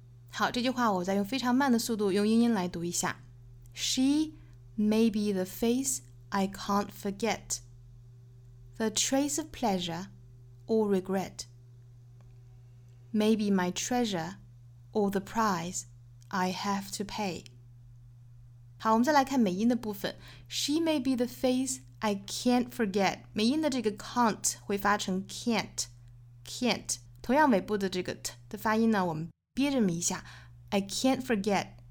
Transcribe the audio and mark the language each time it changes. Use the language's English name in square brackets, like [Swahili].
[Chinese] 好，这句话我再用非常慢的速度用英音来读一下。 [English] She may be the face I can't forget, the trace of pleasure or regret. Maybe my treasure or the price I have to pay. [Chinese] 好，我们再来看美音的部分。 [English] She may be the face I can't forget. [Chinese] 美音的这个 can't 会发成 can't， 同样尾部的这个 t 的发音呢，我们憋这么一下， [English] I can't forget.